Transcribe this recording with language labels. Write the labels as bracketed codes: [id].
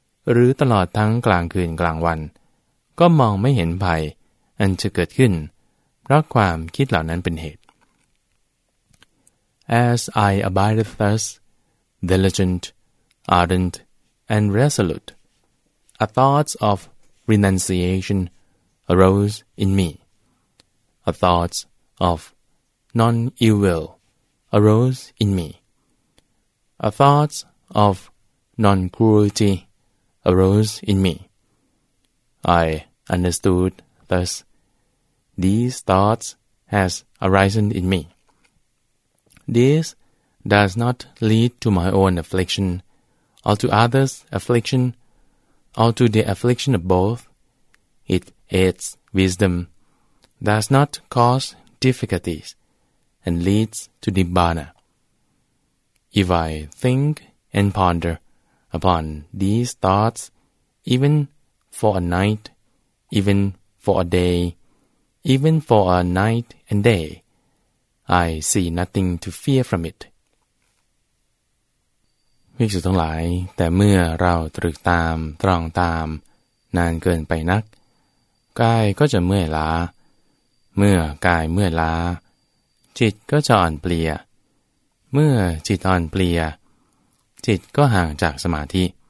[th] หรือตลอดทั้งกลางคืนกลางวันก็มองไม่เห็นภัยอันจะเกิดขึ้นเพราะความคิดเหล่านั้นเป็นเหตุ [en] As I abide thus, diligent, ardent, and resolute, a thought of renunciation arose in me. A thought of non-ill will arose in me. A thought of non-cruelty arose in me. I understood thus, these thoughts has arisen in me. This does not lead to my own affliction, or to others' affliction, or to the affliction of both. It aids wisdom, does not cause difficulties, and leads to Nibbana. If I think and ponder upon these thoughts, even for a night, even for a day, even for a night and day. I see nothing to fear from it. [th] ภิกษุทั้งหลายแต่เมื่อเราตรึกตามตรองตามนานเกินไปนักกายก็จะเมื่อยล้าเมื่อกายเมื่อยล้าจิตก็จะอ่อนเปลี่ยเมื่อจิตอ่อนเปลี่ยจิตก็ห่างจากสมาธิ